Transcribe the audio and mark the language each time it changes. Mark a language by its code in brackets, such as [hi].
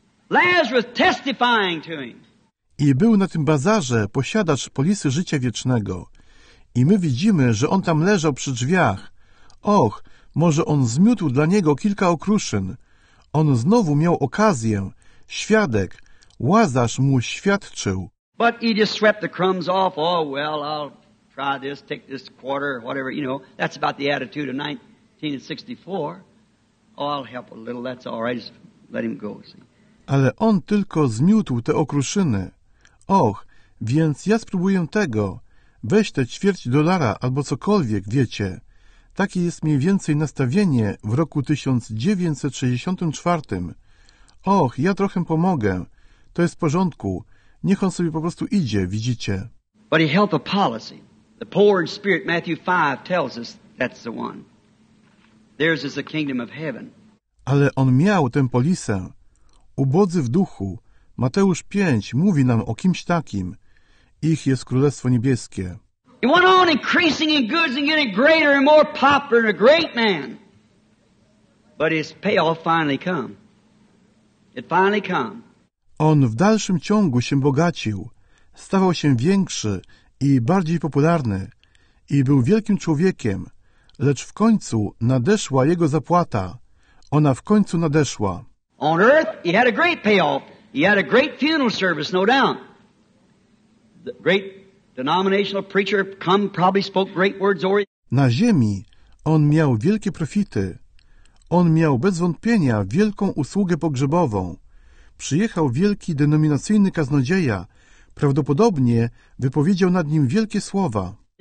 [en] Lazarus testifying to him. [pl] I był na tym bazarze posiadacz polisy życia wiecznego. I my widzimy, że on tam leżał przy drzwiach. Och, może on zmiótł dla niego kilka okruszyn. On znowu miał okazję. Świadek. Łazarz mu świadczył. [en] But he just swept the crumbs off. Oh, well, I'll try this, take this quarter, whatever. You know, that's about the attitude of 1964. Oh, I'll help a little. That's all right. Just let him go. See. [pl] Ale on tylko zmiótł te okruszyny. Och, więc ja spróbuję tego. Weź te ćwierć dolara albo cokolwiek, wiecie. Takie jest mniej więcej nastawienie w roku 1964. Och, ja trochę pomogę. To jest w porządku. Niech on sobie po prostu idzie, widzicie. [en] But he held a policy. The poor in spirit, Matthew 5 tells us that's the one. Theirs is the kingdom of heaven. [pl] Ale on miał tę polisę. Ubodzy w duchu. Mateusz 5 mówi nam o kimś takim. Ich jest Królestwo Niebieskie. [en] He went on increasing in goods and getting greater and more popular and a great man. But his payoff finally come. It finally come. [pl] On w dalszym ciągu się bogacił, stawał się większy i bardziej popularny i był wielkim człowiekiem, lecz w końcu nadeszła jego zapłata. Ona w końcu nadeszła. On earth he had a great payoff. He had a great funeral service, no doubt. The great denominational preacher come probably spoke great words over. Na ziemi on miał wielkie profity. On miał bez wątpienia wielką usługę pogrzebową. Przyjechał wielki denominacyjny kaznodzieja. Prawdopodobnie wypowiedział nad nim wielkie słowa.